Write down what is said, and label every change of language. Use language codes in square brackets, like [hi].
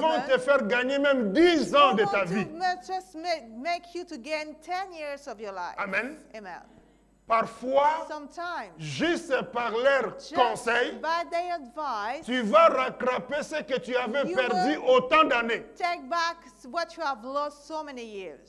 [fr] vont te faire gagner même 10 ans de ta vie. [en] Just make you to gain 10 years of your life. Amen. Amen. [fr] Parfois, [en] sometimes, [fr] juste par leur conseil, [en] advice, [fr] tu vas rattraper ce que tu avais perdu autant d'années. [en] Take back what you have lost so many years.